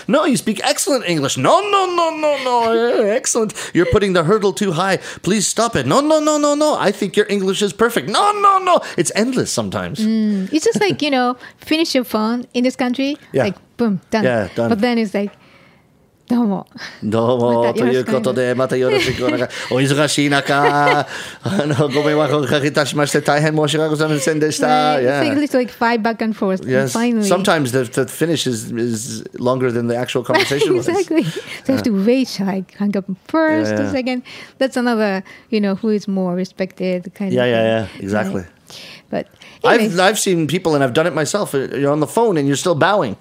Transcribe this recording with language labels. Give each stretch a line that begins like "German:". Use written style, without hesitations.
English: No, you speak excellent English. No. Excellent. You're putting the hurdle too high. Please stop it. No. I think your English is perfect. No. It's endless sometimes. It's just like, you know, finish your phone in this country. Yeah. Like, boom, done. Yeah, done. But then it's like,
Japanese: どうも。ということで、またよろしくお願い。お忙しい中、ご迷惑をおかけいたしまして、大変申し訳ございませんでした。
English: Right. Yeah. It's English like five back and forth. Yes. And finally. Sometimes the finish is longer than the actual conversation exactly. was. Exactly. So you have to wait, like, hang up first, a second. That's another, you know, who is more respected kind of thing. Yeah, exactly. Right. But I've seen people, and I've done it myself. You're on the phone and you're still bowing.